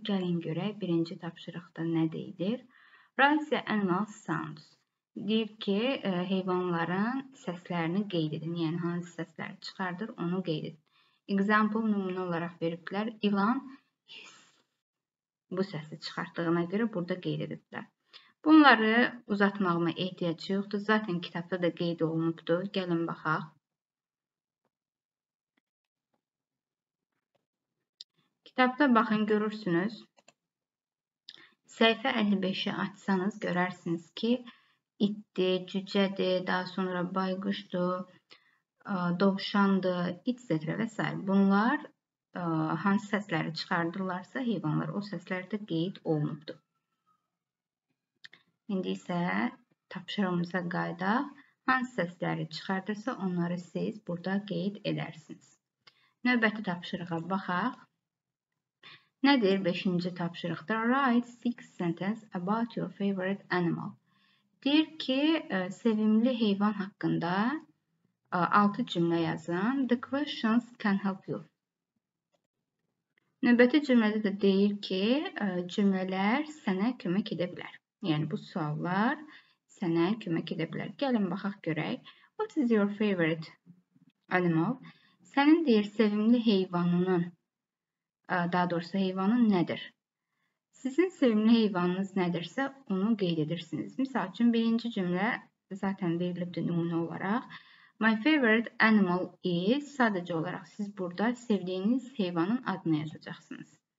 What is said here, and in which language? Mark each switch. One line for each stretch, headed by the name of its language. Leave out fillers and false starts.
Azerbaijani: Gəlin görək, 1-ci tapşırıqda nə deyilir?
English: Write the animal sounds.
Azerbaijani: Deyib ki, heyvanların səslərini qeyd edin. Yəni, hansı səslər çıxardır, onu qeyd edin. Example nümunə olaraq veriblər. İlan his. Bu səsi çıxartdığına görə burada qeyd ediblər. Bunları uzatmağıma ehtiyac yoxdur. Zaten kitabda da qeyd olunubdur. Gəlin baxaq. Kitabda baxın, görürsünüz. Səhifə 55-i açsanız görərsiniz ki, itdir, cücədir, daha sonra bayquşdur, dovşandır, it zətirə və s. Bunlar hansı səsləri çıxardırlarsa heyvanlar o səslərdə qeyd olunubdur. İndi isə tapşırığımıza qayıdaq. Hansı səsləri çıxardırsa onları siz burada qeyd edərsiniz. Növbəti tapşırığa baxaq. Nədir 5-ci tapşırıqda?
English: Write 6 sentence about your favorite animal.
Azerbaijani: Deyir ki, sevimli heyvan haqqında 6 cümlə yazın.
English: The questions can help you.
Azerbaijani: Növbəti cümlədə də deyir ki, cümlələr sənə kömək edə bilər. Yəni, bu suallar sənə kömək edə bilər. Gəlin, baxaq, görək.
English: What is your favorite animal?
Azerbaijani: Sənin, deyir, sevimli heyvanının, daha doğrusu heyvanın nədir? Sizin sevimli heyvanınız nədirsə, onu qeyd edirsiniz. Misal üçün, birinci cümlə zaten verilibdir nümunə olaraq.
English: My favorite animal is,
Azerbaijani: sadəcə olaraq siz burada sevdiyiniz heyvanın adını yazacaqsınız.